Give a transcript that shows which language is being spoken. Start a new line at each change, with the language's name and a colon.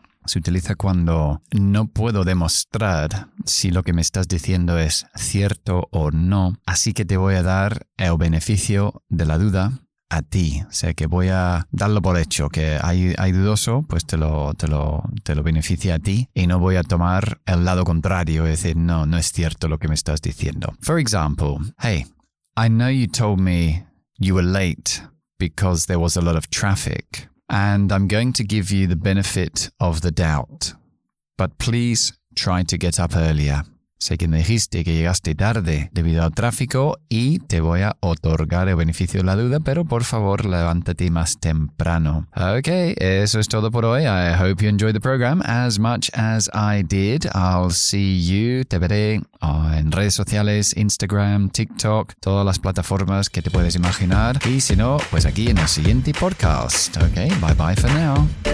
Spanish: Se utiliza cuando no puedo demostrar si lo que me estás diciendo es cierto o no. Así que te voy a dar el beneficio de la duda a ti. O sea, que voy a darlo por hecho, que hay dudoso, pues te lo beneficia a ti y no voy a tomar el lado contrario y decir, no, no es cierto lo que me estás diciendo.
English: For example, hey, I know you told me you were late because there was a lot of traffic and I'm going to give you the benefit of the doubt, but please try to get up earlier.
Spanish: Sé que me dijiste que llegaste tarde debido al tráfico y te voy a otorgar el beneficio de la duda, pero por favor, levántate más temprano. Okay, eso es todo por hoy.
English: I hope you enjoyed the program as much as I did. I'll see you,
Spanish: te veré en redes sociales, Instagram, TikTok, todas las plataformas que te puedes imaginar. Y si no, pues aquí en el siguiente podcast.
English: Okay, bye bye for now.